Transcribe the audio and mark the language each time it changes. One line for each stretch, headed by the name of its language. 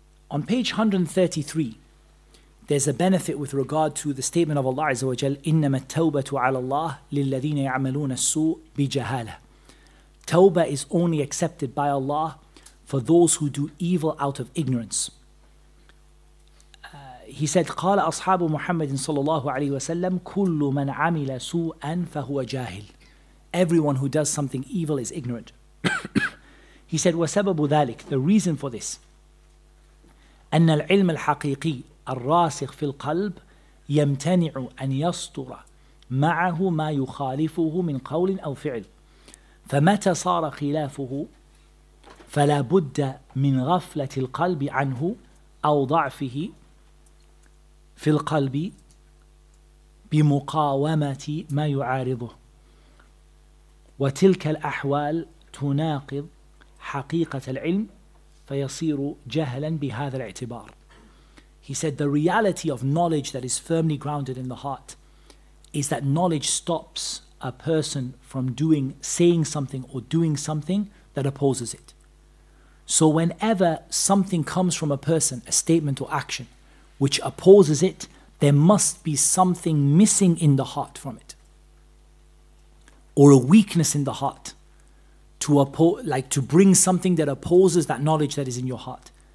English: On page 133, there's a benefit with regard to the statement of Allah Azza wa Jal,
Arabic: إِنَّمَا التَّوْبَةُ عَلَى اللَّهِ لِلَّذِينَ يَعْمَلُونَ السُّوءِ بِجَهَالَةِ.
English: Tawbah is only accepted by Allah for those who do evil out of ignorance. He said,
Arabic: قَالَ أَصْحَابُ مُحَمَّدٍ صَلَى اللَّهُ عَلَيْهِ وَسَلَّمُ كُلُّ مَنْ عَمِلَ سُوءًا فَهُوَ جَاهِلٌ.
English: Everyone who does something evil is ignorant. He said,
Arabic: وَسَبَبُ ذَلِكَ.
English: The reason for this,
Arabic: أن العلم الحقيقي الراسخ في القلب يمتنع أن يصدر معه ما يخالفه من قول أو فعل فمتى صار خلافه فلا بد من غفلة القلب عنه أو ضعفه في القلب بمقاومة ما يعارضه وتلك الأحوال تناقض حقيقة العلم فَيَصِيرُ جَهْلًا بِهَذَا الْاِعْتِبَارِ.
English: He said, the reality of knowledge that is firmly grounded in the heart is that knowledge stops a person from saying something or doing something that opposes it. So whenever something comes from a person, a statement or action, which opposes it, there must be something missing in the heart from it, or a weakness in the heart to bring something that opposes that knowledge that is in your heart.